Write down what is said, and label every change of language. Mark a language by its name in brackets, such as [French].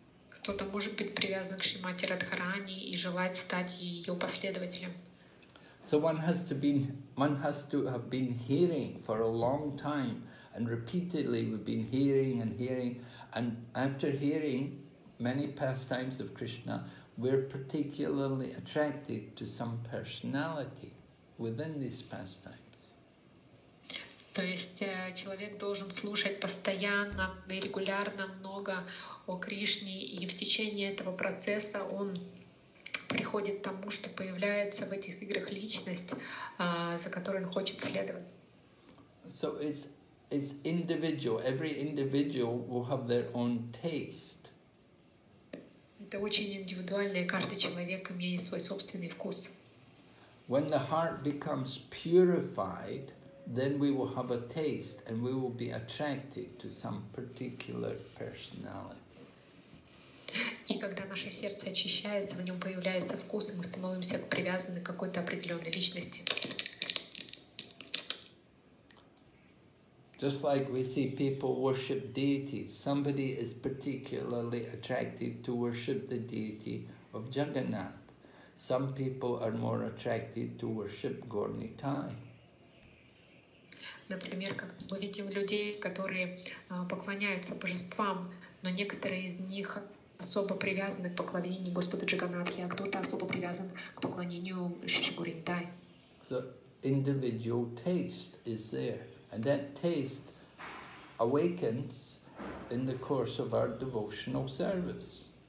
[Russian] Кто-то может быть привязан к Шримати Радхарани и желать стать ее последователем. [English] So one has to have been hearing for a long time, and repeatedly we've been hearing and hearing, and after hearing many pastimes of Krishna, we're particularly attracted to some personality within these pastimes. [Russian] То есть человек должен слушать постоянно, регулярно, много о Кришне, и в течение этого процесса он приходит к тому, что появляется в этих играх личность, за которой он хочет следовать. [English] So it's individual. Every individual will have their own taste. [Russian] Это очень индивидуально, и каждый человек имеет свой собственный вкус. [English] When the heart becomes purified, then we will have a taste, and we will be attracted to some particular personality. [Russian] И когда наше сердце очищается, в нем появляется вкус, и мы становимся привязаны к какой-то определенной личности. [English] Just like we see people worship deities, somebody is particularly attracted to worship the deity of Jagannath. Some people are more attracted to worship Gornitai. [Russian] Например, как мы видим людей, которые поклоняются божествам, но некоторые из них особо привязаны к поклонению Господу Джаганнатхи, а кто-то особо привязан к поклонению Шри Гуриндай. [English] So individual taste is there, and that taste awakens in the course of our devotional service.